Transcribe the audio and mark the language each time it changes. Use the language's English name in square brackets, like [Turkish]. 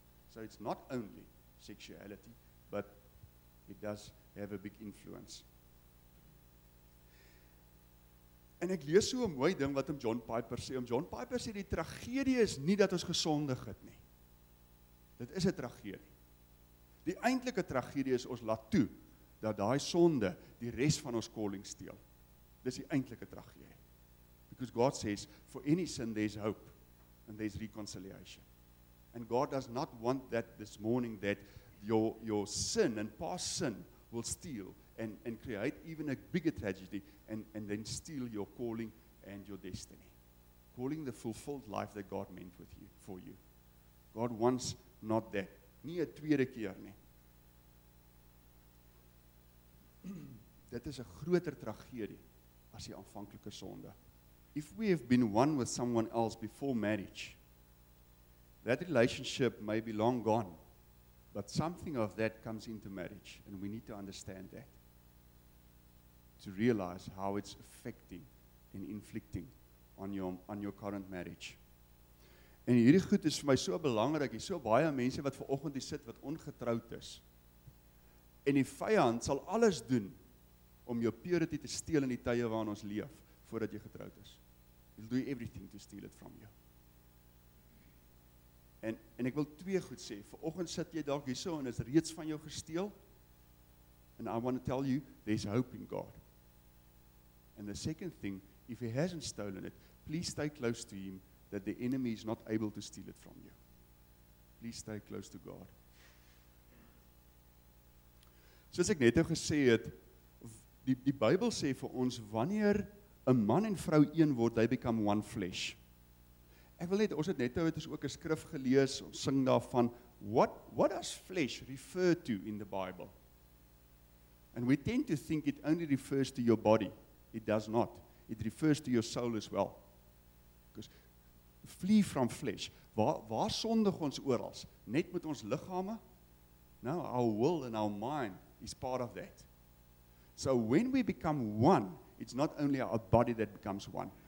[English] So it's not only sexuality, but it does have a big influence. [Afrikaans] En ek lees so 'n mooi ding wat John Piper sê. John Piper sê die tragedie is nie dat ons gesondig het nie. Dit is 'n tragedie. Die eintlike tragedie is ons laat toe dat daai sonde die res van ons calling steel. Dis die eintlike tragedie. [English] Because God says, for any sin there's hope and there's reconciliation. And God does not want that this morning that your sin and past sin will steal and create even a bigger tragedy and then steal your calling and your destiny. Calling the fulfilled life that God meant with you for you. God wants not that. [Afrikaans] Nie 'n tweede keer nie. Dit is 'n groter tragedie as die aanvanklike sonde. [English] If we have been one with someone else before marriage, that relationship may be long gone, but something of that comes into marriage, and we need to understand that to realize how it's affecting and inflicting on your current marriage. [Afrikaans] En hierdie goed is vir my so belangrik. Hier is so baie mense wat vanoggend hier sit wat ongetroud is. En die vyand sal alles doen om jou purity te steel in die tye waarin ons leef voordat jy getroud is. [English] He'll do everything to steal it from you. [Afrikaans] En ek wil twee goed sê. Vanoggend sit jy dalk hierso en is reeds van jou gesteel. [English] And I want to tell you there's hope in God. And the second thing, if he hasn't stolen it, please stay close to him that the enemy is not able to steal it from you. Please stay close to God. [Afrikaans] Soos ek net nou gesê het, die Bybel sê vir ons, wanneer 'n man en vrou een word, [English] they become one flesh. [Afrikaans] Ek wil net, ons het net nou, het ons ook 'n skrif gelees, ons sing daarvan, [English] what does flesh refer to in the Bible? And we tend to think it only refers to your body. It does not. It refers to your soul as well. Because flee from flesh. [Afrikaans] Waar sondig ons oral? Net met ons liggame? [English] No, our will and our mind is part of that. So when we become one, it's not only our body that becomes one.